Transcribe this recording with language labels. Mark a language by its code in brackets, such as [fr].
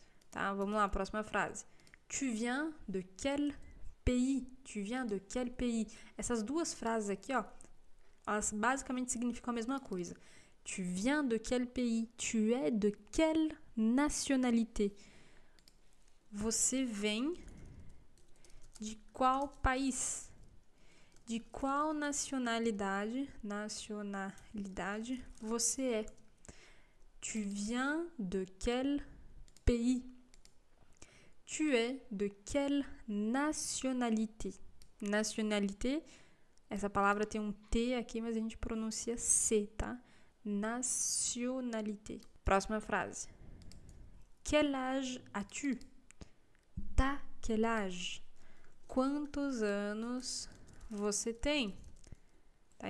[pt] Tá, vamos lá, próxima frase. [fr] Tu viens de quel pays? Tu viens de quel pays? [pt] Essas duas frases aqui, ó, elas basicamente significam a mesma coisa. [fr] Tu viens de quel pays? Tu es de quelle nationalité? [pt] Você vem de qual país? De qual nacionalidade? Nacionalidade você é? [fr] Tu viens de quel pays? Tu es de quelle nationalité? [pt] Nationalité, essa palavra tem um T aqui, mas a gente pronuncia C, tá? [fr] Nationalité. [pt] Próxima frase. [fr] Quel âge as-tu? T'as quel âge? [pt] Quantos anos você tem? Tá?